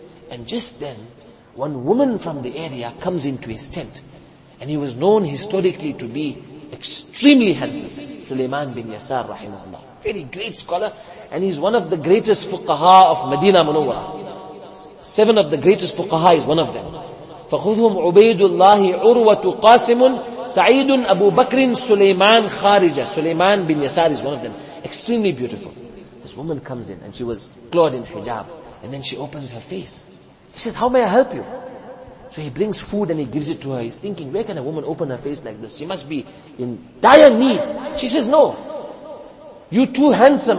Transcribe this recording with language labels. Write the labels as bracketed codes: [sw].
[en] And just then, one woman from the area comes into his tent. And he was known historically to be extremely handsome. Sulaiman bin Yasar rahimahullah. Very great scholar, and he's one of the greatest fuqaha of Medina Munawwara. Seven of the greatest fuqaha is one of them. [ar] فَخُذْهُمْ عُبَيْدُ اللَّهِ عُرْوَةُ قَاسِمٌ سَعِيدٌ أَبُو بَكْرٍ سُلَيْمَانْ خَارِجَ [en] Sulaiman bin Yasar is one of them. Extremely beautiful. This woman comes in, and she was clothed in hijab. And then she opens her face. She says, how may I help you? So he brings food and he gives it to her. He's thinking, where can a woman open her face like this? She must be in dire need. She says, no. You too handsome.